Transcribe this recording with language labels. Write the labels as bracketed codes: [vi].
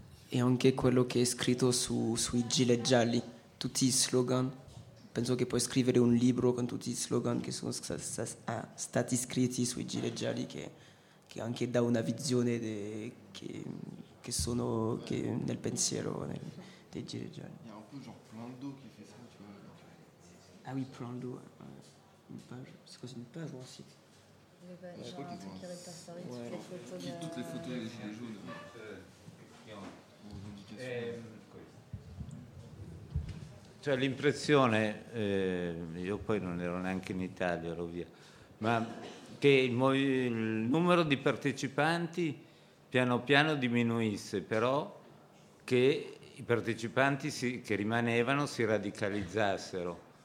[it] E anche quello che è scritto sui gilet gialli, tutti i slogan penso che puoi scrivere un libro con tutti i slogan che sono stati scritti sui gilet gialli, che anche dà una visione che sono che nel pensiero dei gilet gialli. [fr] Il y a un peu genre Plando qui fait ça, tu vois. Ah oui, Plando, une page, c'est quoi, c'est une page ou un site? Il y a un truc qui répertorie toutes les photos des gilets jaunes. [it] Cioè l'impressione, io poi non ero neanche in Italia, ero via, ma che il numero di partecipanti piano piano diminuisse, però che i partecipanti che rimanevano si radicalizzassero.